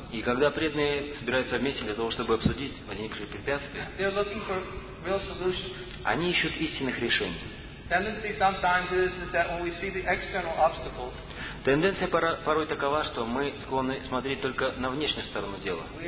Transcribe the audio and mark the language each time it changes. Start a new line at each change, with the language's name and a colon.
Russian: и когда преданные собираются вместе для того, чтобы обсудить возникшие препятствия,
English: they're looking for real solutions.
Russian: Они ищут истинных решений.
English: Tendency sometimes is that when we see the external obstacles,
Russian: тенденция порой такова, что мы склонны смотреть только на внешнюю сторону дела.